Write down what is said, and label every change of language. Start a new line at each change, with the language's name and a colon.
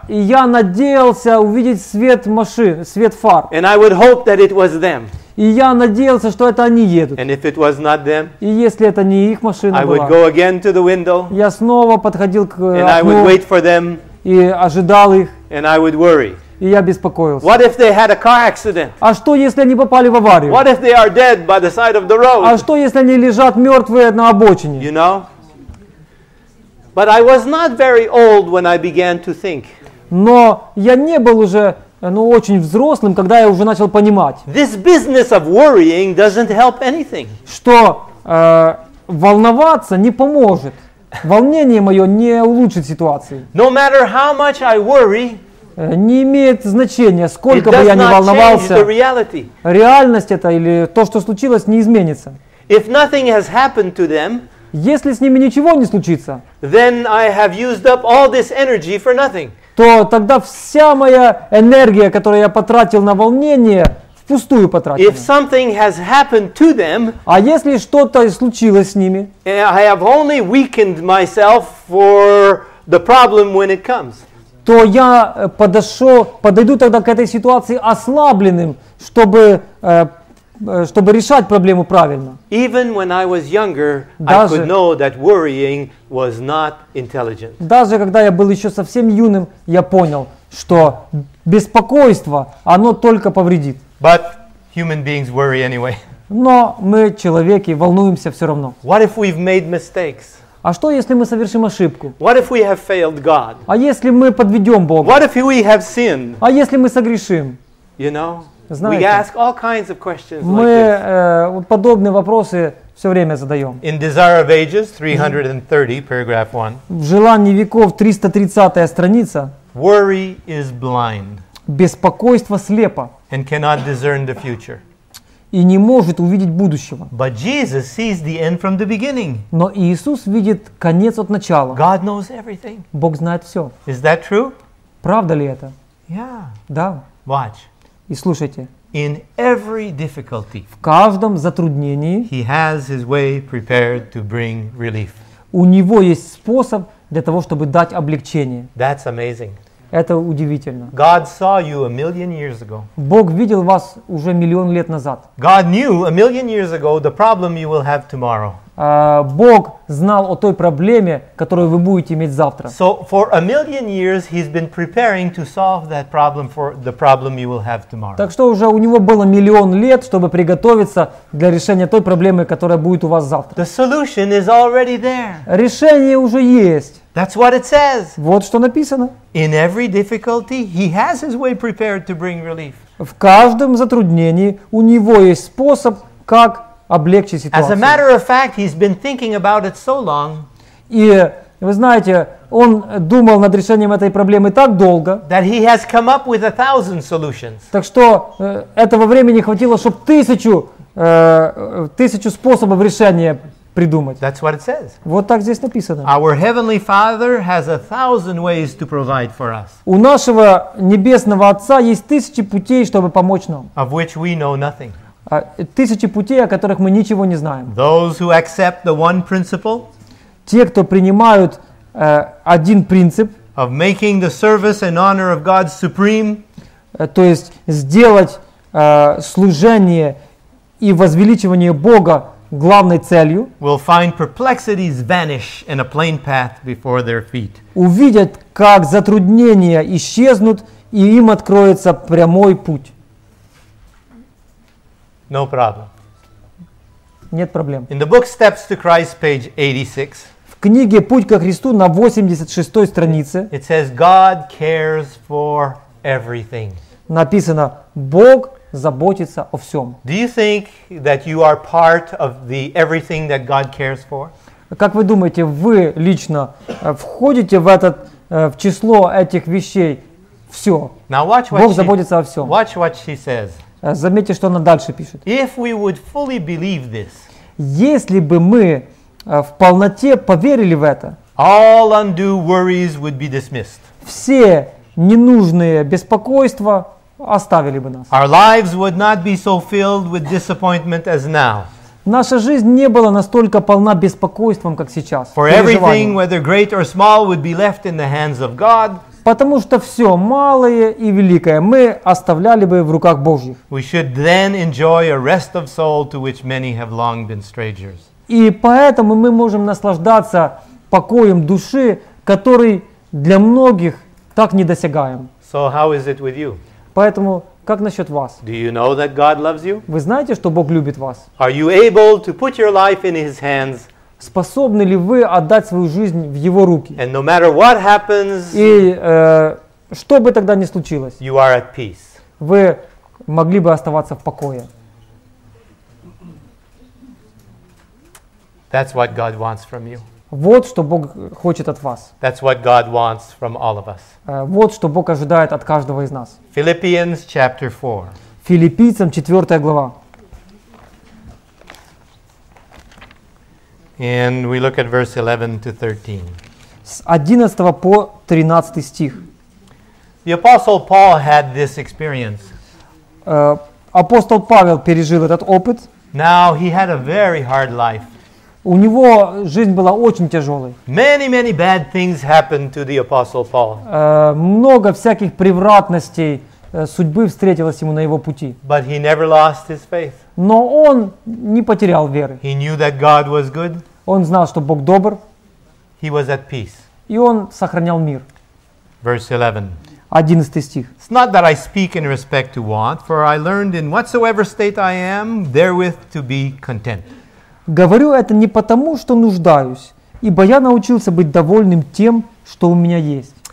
Russian: И я надеялся увидеть свет машин, свет фар.
English: And I would hope that it was them.
Russian: И я надеялся, что это они едут.
English: And if it was not them,
Russian: и если это не их машина
English: I would go again to the window,
Russian: я снова подходил к
English: and
Russian: окну
English: I would wait for them,
Russian: и ожидал их.
English: And I would worry.
Russian: И я беспокоился.
English: What if they had a car accident?
Russian: А что, если они попали в аварию?
English: What if they are dead by the side of the road?
Russian: А что, если они лежат мертвые на обочине?
English: You know? But I was not very old when I began to think.
Russian: Но я не был уже очень взрослым, когда я уже начал понимать,
English: this business of worrying doesn't help anything.
Russian: Что волноваться не поможет. Волнение мое не улучшит ситуации.
English: No matter how much I worry,
Russian: не имеет значения, сколько бы я ни волновался,
English: the reality.
Russian: Реальность это или то, что случилось, не изменится.
English: If nothing has happened to them,
Russian: Если с ними ничего не случится,
English: then I have used up all this energy for nothing.
Russian: То тогда вся моя энергия, которую я потратил на волнение, впустую потратил.
English: If something has happened to them,
Russian: а если что-то случилось с ними,
English: I have only weakened myself for the problem when it comes.
Russian: То я подойду тогда к этой ситуации ослабленным, чтобы решать проблему правильно.
English: Even when I was younger, I could know that worrying was not intelligent.
Russian: Даже когда я был еще совсем юным, я понял, что беспокойство, оно только повредит.
English: But human beings worry anyway.
Russian: Но мы, человеки, волнуемся все равно.
English: What if we've made mistakes?
Russian: А что, если мы совершим ошибку?
English: What if we have failed God?
Russian: А если мы подведем Бога?
English: What if we have sinned?
Russian: А если мы согрешим?
English: You know,
Russian: знаете,
English: we ask all kinds of questions
Russian: мы
English: like this.
Russian: Подобные вопросы все время задаем.
English: In Desire of Ages, 330, paragraph 1.
Russian: В Желании веков, 330-я страница.
English: Worry is blind.
Russian: Беспокойство слепо.
English: And cannot discern the future.
Russian: И не может увидеть будущего.
English: But Jesus sees the end from the beginning.
Russian: Но Иисус видит конец от начала.
English: God knows everything.
Russian: Бог знает все.
English: Is that true?
Russian: Правда ли это?
English: Yeah.
Russian: Да.
English: Watch.
Russian: И слушайте.
English: In every difficulty,
Russian: в каждом затруднении,
English: he has his way prepared to bring relief.
Russian: У него есть способ для того, чтобы дать облегчение.
English: That's amazing.
Russian: Это удивительно.
English: God saw you a million years ago.
Russian: Бог видел вас уже миллион лет назад.
English: God knew a million years ago the problem you will have tomorrow.
Russian: Бог знал о той проблеме, которую вы будете иметь завтра.
English: So for a million years he's been preparing to solve that problem for the problem you will have tomorrow.
Russian: Так что уже у него было миллион лет, чтобы приготовиться для решения той проблемы, которая будет у вас завтра.
English: The solution is already there.
Russian: Решение уже есть.
English: That's what it says.
Russian: Вот что написано.
English: In every difficulty, he has his way prepared to bring relief.
Russian: В каждом затруднении у него есть способ, как облегчить ситуацию.
English: As a matter of fact, he's been thinking about it so long.
Russian: И вы знаете, он думал над решением этой проблемы так долго.
English: That he has come up with a thousand solutions.
Russian: Так что этого времени хватило, чтобы тысячу способов решения придумать.
English: That's what it says.
Russian: Вот так здесь написано.
English: Our heavenly Father has a thousand ways to provide for us.
Russian: У нашего небесного Отца есть тысячи путей, чтобы помочь нам.
English: Of which we know nothing.
Russian: Тысячи путей, о которых мы ничего не знаем.
English: Those who accept the one principle.
Russian: Те, кто принимают один принцип.
English: Of making the service and honor of God supreme.
Russian: То есть сделать служение и возвеличивание Бога главной целью,
English: will find perplexities vanish in a plain path before their feet.
Russian: Увидят, как затруднения исчезнут, и им откроется прямой путь.
English: No problem.
Russian: Нет проблем.
English: In the book Steps to Christ, page 86,
Russian: в книге «Путь ко Христу» на 86-й странице,
English: it says, God cares for everything.
Russian: Написано, Бог заботиться о всем.
English: Do you think that you are part of the everything that God cares for?
Russian: Как вы думаете, вы лично входите в этот в число этих вещей? Все.
English: Now watch what
Russian: Бог заботится о всем.
English: Watch what she says.
Russian: Заметьте, что она дальше пишет.
English: If we would fully believe this,
Russian: если бы мы в полноте поверили в это,
English: all undue worries would be dismissed.
Russian: Все ненужные беспокойства оставили бы нас.
English: Our lives would not be so filled with disappointment as now.
Russian: Наша жизнь не была настолько полна беспокойством, как сейчас.
English: For everything, whether great or small, would be left in the hands of God.
Russian: Потому что все, малое и великое, мы оставляли бы в руках Божьих.
English: We should then enjoy a rest of soul to which many have long been strangers.
Russian: И поэтому мы можем наслаждаться покоем души, который для многих так недосягаем.
English: So how is it with you?
Russian: Поэтому, как насчет вас?
English: Do you know that God loves you?
Russian: Вы знаете, что Бог любит вас?
English: Are you able to put your life in His hands?
Russian: Способны ли вы отдать свою жизнь в Его руки?
English: And no matter what happens,
Russian: и что бы тогда ни случилось,
English: you are at peace.
Russian: Вы могли бы оставаться в покое.
English: That's what God wants from you.
Russian: Вот что Бог хочет от вас.
English: That's what God wants from all of us.
Russian: Вот что Бог ожидает от каждого из нас.
English: Philippians chapter 4.
Russian: Филиппийцам 4 глава.
English: And we look at verse 11 to 13.
Russian: С 11 по 13 стих.
English: The apostle Paul had this experience.
Russian: Апостол Павел пережил этот опыт.
English: Now he had a very hard life.
Russian: У него жизнь была очень тяжелой.
English: Many, many bad things happened to the apostle Paul.
Russian: Много всяких превратностей судьбы встретилось ему на его пути.
English: But he never lost his faith.
Russian: Но он не потерял веры.
English: He knew that God was good.
Russian: Он знал, что Бог добр.
English: He was at peace.
Russian: И он сохранял мир.
English: Verse 11.
Russian: 11 стих.
English: It's not that I speak in respect to want, for I learned in whatsoever state I am, therewith to be content.
Russian: Говорю это не потому, что нуждаюсь, ибо я научился быть довольным тем, что у меня есть.